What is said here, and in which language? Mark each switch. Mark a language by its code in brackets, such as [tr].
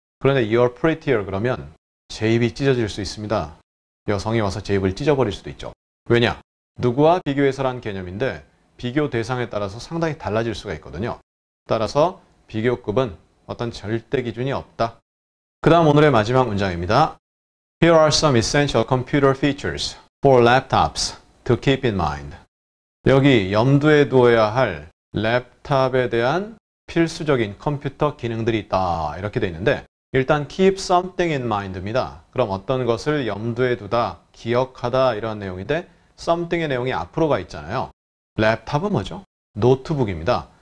[ko] 그런데 [en] You are prettier [ko] 그러면 제 입이 찢어질 수 있습니다. 여성이 와서 제 입을 찢어버릴 수도 있죠. 왜냐? 누구와 비교해서라는 개념인데 비교 대상에 따라서 상당히 달라질 수가 있거든요. 따라서 비교급은 어떤 절대 기준이 없다. 그 다음 오늘의 마지막 문장입니다. [en] Here are some essential computer features for laptops to keep in mind. [ko] 여기 염두에 두어야 할 랩탑에 대한 필수적인 컴퓨터 기능들이 있다. 이렇게 돼 있는데 일단 [en] keep something in mind [ko] 입니다. 그럼 어떤 것을 염두에 두다, 기억하다 이런 내용인데 something의 내용이 앞으로가 있잖아요. 랩탑은 뭐죠? 노트북입니다.